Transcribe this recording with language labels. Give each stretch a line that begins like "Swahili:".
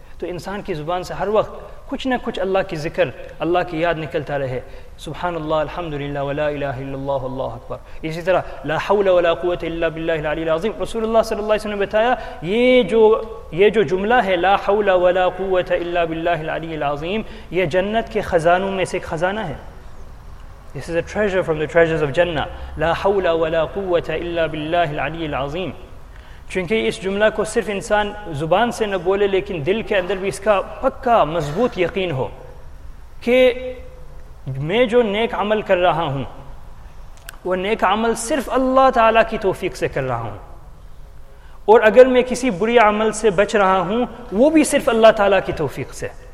Urdu: تو انسان کی زبان سے ہر وقت کچھ نہ کچھ اللہ کی ذکر، اللہ کی یاد نکلتا رہے، سبحان اللہ، الحمدللہ، ولا الہ الا اللہ، اللہ اکبر. اسی طرح
Arabic: لا حول ولا قوۃ الا باللہ العلی العظیم،
Urdu: رسول اللہ صلی اللہ علیہ وسلم نے بتایا یہ جو جملہ ہے لا حول ولا قوۃ الا باللہ العلی العظیم، یہ جنت کے خزانوں میں سے ایک خزانہ ہے.
English: This is a treasure from the treasures of Jannah.
Arabic: لا حول ولا قوة إلا بالله العلي العظيم.
Urdu: چونکہ اس جملہ کو صرف انسان زبان سے نہ بولے لیکن دل کے اندر بھی اس کا پکا مضبوط یقین ہو کہ میں جو نیک عمل کر رہا ہوں وہ نیک عمل صرف اللہ تعالیٰ کی توفیق سے کر رہا ہوں، اور اگر میں کسی بری عمل سے بچ رہا ہوں وہ بھی صرف اللہ تعالیٰ کی توفیق سے.